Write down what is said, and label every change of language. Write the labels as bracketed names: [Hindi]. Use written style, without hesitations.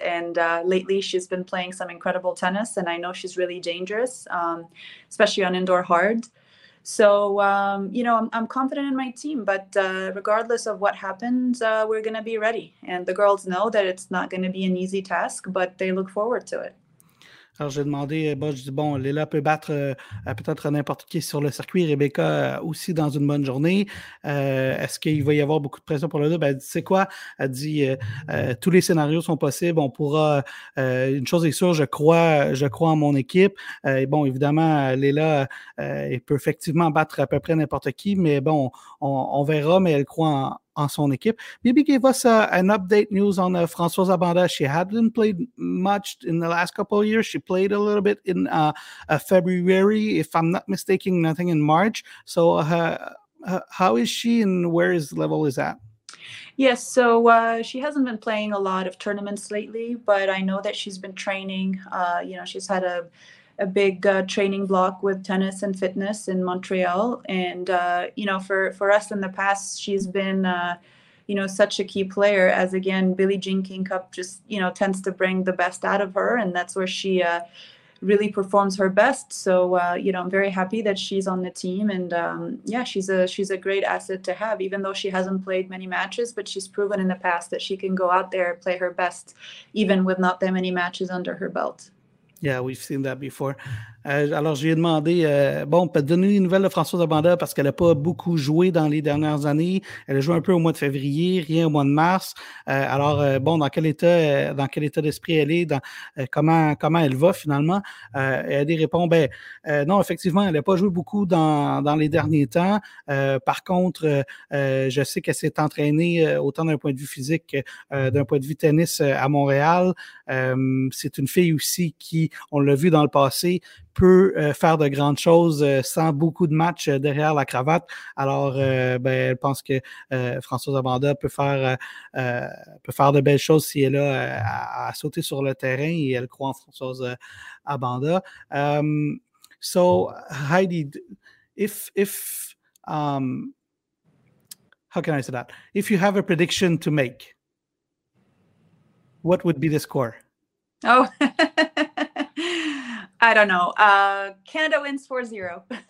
[English] And lately, she's been playing some incredible tennis, and I know she's really dangerous, especially on indoor hard. So, you know, I'm confident in my team, but regardless of what happens, we're going to be ready. And the girls know that it's not going to be an easy task, but they look forward to it. [French] Alors, j'ai demandé, bon, je dis, bon, Layla peut battre peut-être n'importe qui sur le circuit, Rebecca aussi dans une bonne journée. Est-ce qu'il va y avoir beaucoup de pression pour le double? Elle dit, c'est quoi? Elle dit, tous les scénarios sont possibles, on pourra, une chose est sûre, je crois en mon équipe. Et bon, évidemment, Layla peut effectivement battre à peu près n'importe qui, mais bon, on verra, mais elle croit en son équipe. [English] Maybe give us an update news on Françoise Abanda. She hadn't played much in the last couple of years. She played a little bit in February, if I'm not mistaken, nothing in March. So how is she and where is the level is at? Yes, so she hasn't been playing a lot of tournaments lately, but I know that she's been training. You know, she's had a big training block with tennis and fitness in Montreal. And, you know, for us in the past, she's been, you know, such a key player, as again, Billie Jean King Cup just, you know, tends to bring the best out of her. And that's where she really performs her best. So, you know, I'm very happy that she's on the team. And yeah, she's a great asset to have, even though she hasn't played many matches, but she's proven in the past that she can go out there and play her best, even with not that many matches under her belt. Yeah, we've seen that before. [French] Alors, je lui ai demandé, bon, peut-être donner les nouvelles de Françoise Abanda parce qu'elle n'a pas beaucoup joué dans les dernières années. Elle a joué un peu au mois de février, rien au mois de mars. Alors, bon, dans quel état d'esprit elle est, comment elle va finalement? Et elle répond, ben, non, effectivement, elle n'a pas joué beaucoup dans les derniers temps. Par contre, je sais qu'elle s'est entraînée autant d'un point de vue physique que d'un point de vue tennis à Montréal. C'est une fille aussi qui, on l'a vu dans le passé, peut faire de grandes choses sans beaucoup de matchs derrière la cravate. Alors, ben, elle pense que Françoise Abanda peut faire de belles choses si elle a sauté sur le terrain et elle croit en Françoise Abanda. [English] So, Heidi, if how can I say that? If you have a prediction to make, what would be the score? Oh. I don't know. Canada wins 4-0.